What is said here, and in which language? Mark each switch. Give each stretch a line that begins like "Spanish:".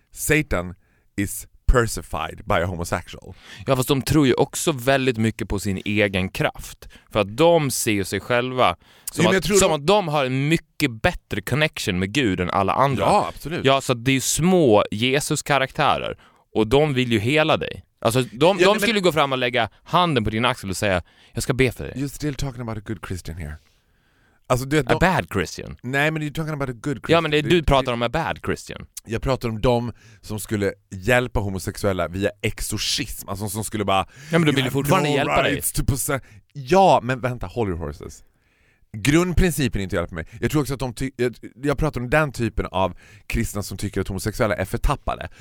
English: Satan is persified by a homosexual.
Swedish: Ja, fast de tror ju också väldigt mycket på sin egen kraft. För att de ser sig själva som, ja, att, som de, att de har en mycket bättre connection med Gud än alla andra. Ja, absolut. Ja, så det är små Jesus-karaktärer och de vill ju hela dig. Alltså, de ja, men, skulle gå fram och lägga handen på din axel och säga, jag ska be för dig.
English: You're still talking about a good Christian here.
Swedish: Alltså, du vet,
English: a bad Christian.
Swedish: Nej, men
English: you're talking about a good Christian.
Swedish: Ja, men det, du pratar om
English: a bad Christian.
Swedish: Jag pratar om dem som skulle hjälpa homosexuella via exorcism. Alltså som skulle bara, ja, men du vill fortfarande hjälpa dig. Ja, men vänta,
English: hold your horses.
Swedish: Grundprincipen är inte hjälp mig. Jag tror också att de jag pratar om den typen av kristna som tycker att homosexuella är förtappade.